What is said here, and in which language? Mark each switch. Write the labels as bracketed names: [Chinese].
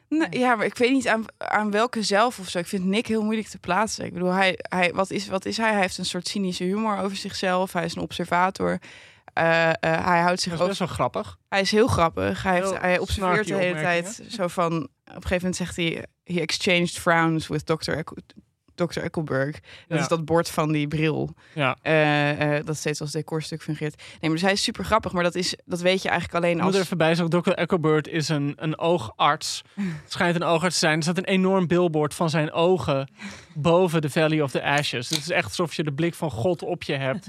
[Dutch] Ja, maar ik weet niet aan welke zelf of zo. Ik vind Nick heel moeilijk te plaatsen. Ik bedoel, wat is hij? Hij heeft een soort cynische humor over zichzelf. Hij is een observator. hij houdt zich ook... Dat is best wel grappig. Hij is heel grappig. Hij observeert de hele tijd zo van... Op een gegeven moment zegt hij... [English] He exchanged frowns with Dr. [Dutch] Eckelberg. Dat is dat bord van die bril. Ja. Dat steeds als decorstuk fungeert. Nee, maar dus hij is super grappig. Maar dat weet je eigenlijk alleen als... Ik moet er even bij zeggen. Dr. Eckelberg is een oogarts. Het schijnt een oogarts te zijn. Er staat een enorm billboard van zijn ogen... boven de Valley of the Ashes. Het is echt alsof je de blik van God op je hebt.